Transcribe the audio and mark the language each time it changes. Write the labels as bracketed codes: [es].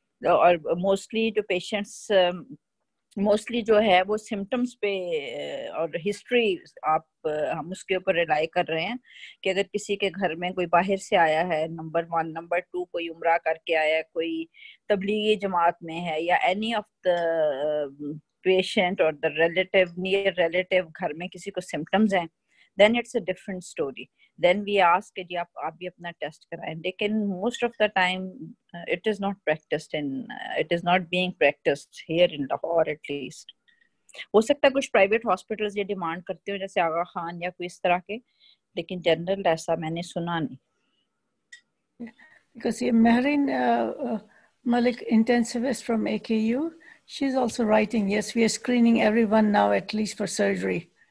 [hi] और मोस्टली जो patients mostly जो है वो सिम्टम्स पे और हिस्ट्री आप हम उसके ऊपर रिलाई कर रहे हैं कि अगर किसी के घर में कोई बाहर से आया है, नंबर वन, नंबर टू कोई उमरा करके आया है, कोई तबलीगी जमात में है, या [en] any of the patient और the relative near relative [hi] घर में किसी को सिम्टम्स हैं, [en] Then it's a different story. Then we ask [hi] कि आप भी अपना test कराएं. [en] लेकिन most of the time it is not practiced in, it is not being practiced here in Lahore at least. [hi] हो सकता है कुछ private hospitals ये demand करते हो जैसे आगा खान या कोई इस तरह के, लेकिन general ऐसा मैंने सुना नहीं. [en] Because ये Mehreen Malik intensivist from AKU, she's also writing, yes, we are screening everyone now at least for surgery.